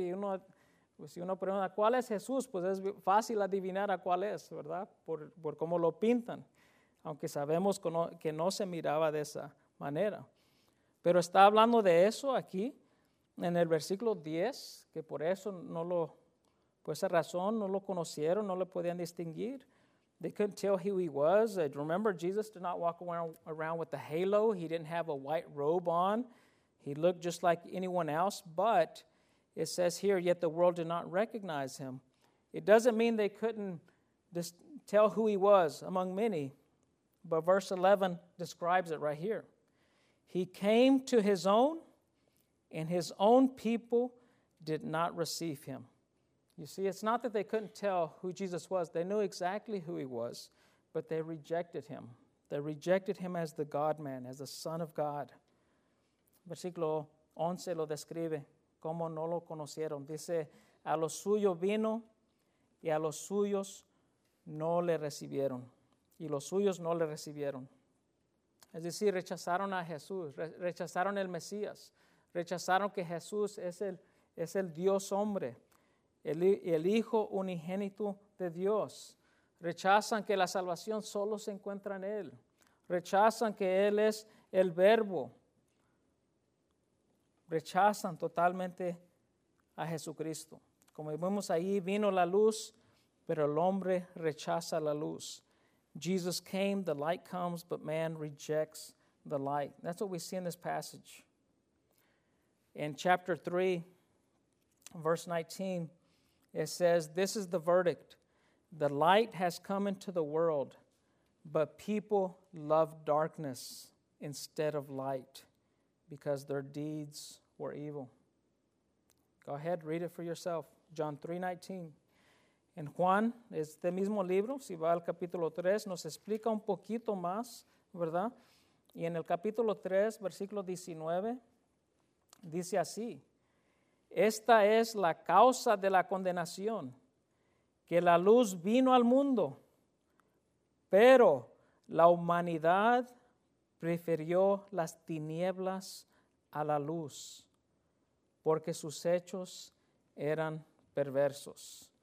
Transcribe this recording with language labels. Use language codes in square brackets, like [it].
[es] Y uno, pues si uno pregunta, ¿cuál es Jesús? Pues es fácil adivinar a cuál es, ¿verdad? Por cómo lo pintan. Aunque sabemos que no se miraba de esa manera. Pero está hablando de eso aquí, en el versículo 10, que por eso no lo... Por esa razón, no lo conocieron, no lo podían distinguir. [en] They couldn't tell who he was. Remember, Jesus did not walk around with a halo. He didn't have a white robe on. He looked just like anyone else. But it says here, yet the world did not recognize him. It doesn't mean they couldn't tell who he was among many. But verse 11 describes it right here. He came to his own, and his own people did not receive him. You see, it's not that they couldn't tell who Jesus was. They knew exactly who he was, but they rejected him. They rejected him as the God-man, as the Son of God. [es] Versículo 11 lo describe, como no lo conocieron. Dice, a lo suyo vino, y a los suyos no le recibieron. Y los suyos no le recibieron. Es decir, rechazaron a Jesús, rechazaron el Mesías. Rechazaron que Jesús es el Dios hombre. El Hijo unigénito de Dios. Rechazan que la salvación solo se encuentra en Él. Rechazan que Él es el verbo, rechazan totalmente a Jesucristo. Como vemos ahí, vino la luz, pero el hombre rechaza la luz. [en] Jesus came, the light comes, but man rejects the light. That's what we see in this passage. In chapter 3, verse 19, it says, this is the verdict. The light has come into the world, but people love darkness instead of light because their deeds were evil. Go ahead, read it for yourself. John 3:19. [es] En Juan, este mismo libro, si va al capítulo 3, nos explica un poquito más, ¿verdad? Y en el capítulo 3, versículo 19, dice así, esta es la causa de la condenación, que la luz vino al mundo, pero la humanidad prefirió las tinieblas a la luz, porque sus hechos eran perversos.